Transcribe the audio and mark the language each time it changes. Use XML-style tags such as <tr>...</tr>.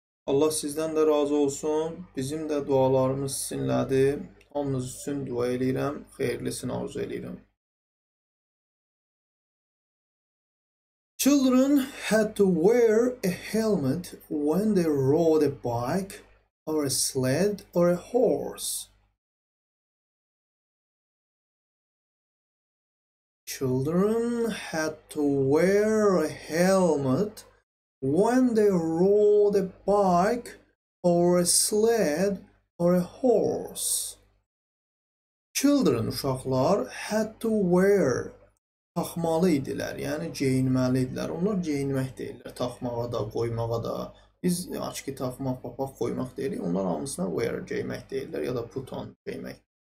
<az>Allah sizdən də razı olsun. Bizim də dualarımız sizinlədir. Hamınız üçün dua eləyirəm. Xeyirlisini arzu eləyirəm.</az> <en>Children had to wear a helmet when they rode a bike or a sled or a horse. Children had to wear a helmet when they rode a bike or a sled or a horse.</en> <az>Children, uşaqlar,</az> <en>had to wear,</en> <az>taxmalı idilər, yəni geyinməli idilər. Onlar geyinmək deyirlər, taxmağa da, qoymağa da. Biz açıq taxmaq, papaq qoymaq deyirik, onlar hamısına wear geyinmək deyirlər ya da put on geyinmək.</az>